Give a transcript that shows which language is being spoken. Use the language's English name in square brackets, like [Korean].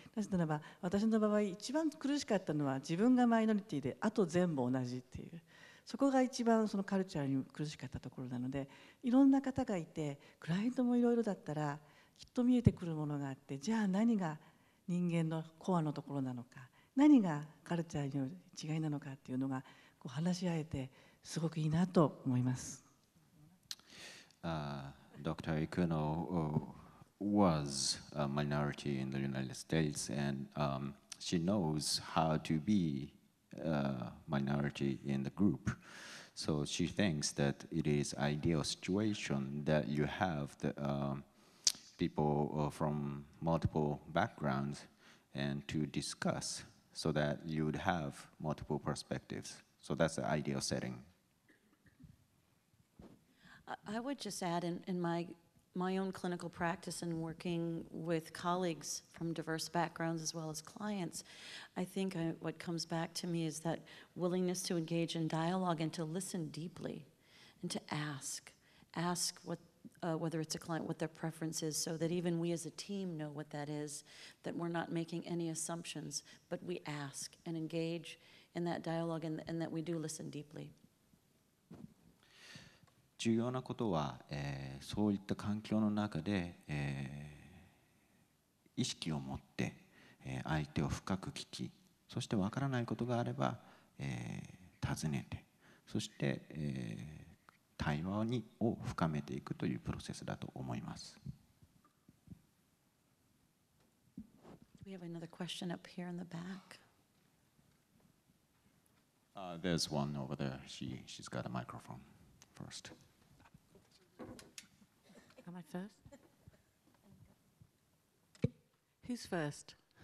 [Japanese] なぜならば私の場合一番苦しかったのは自分がマイノリティであと全部同じっていう、そこが一番そのカルチャーに苦しかったところなので、いろんな方がいてクライアントもいろいろだったらきっと見えてくるものがあって、じゃあ何が人間のコアのところなのか、何がカルチャーの違いなのかっていうのがこう話し合えてすごくいいなと思います。 [English] Dr. Ikuno was a minority in the United States, and she knows how to be a minority in the group. So she thinks that it is ideal situation that you have the people from multiple backgrounds and to discuss. So that you would have multiple perspectives. So that's the ideal setting. I would just add in my own clinical practice and working with colleagues from diverse backgrounds as well as clients, I think what comes back to me is that willingness to engage in dialogue and to listen deeply and to ask whether it's a client, what their preference is, so that even we as a team know what that is, that we're not making any assumptions, but we ask and engage in that dialogue and that we do listen deeply. [Japanese] 重要なことは、そういった環境の中で、意識を持って、相手を深く聞き、そして分からないことがあれば、尋ねて、そして、対話を深めていくというプロセスだと思います。 [English] We have another question up here in the back. There's one over there. She's got a microphone first. Am I first? Who's first?